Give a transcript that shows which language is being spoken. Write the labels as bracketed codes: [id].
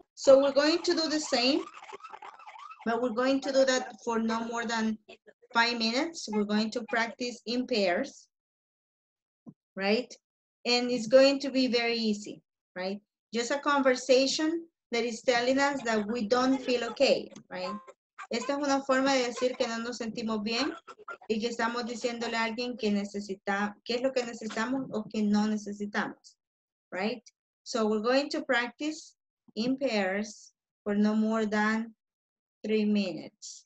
[en] So we're going to do the same, but we're going to do that for no more than 5 minutes. We're going to practice in pairs, right? And it's going to be very easy, right? Just a conversation that is telling us that we don't feel okay, right? [es] Esta es una forma de decir que no nos sentimos bien y que estamos diciéndole a alguien que necesita, qué es lo que necesitamos o que no necesitamos, right? [en] So we're going to practice in pairs for no more than 3 minutes.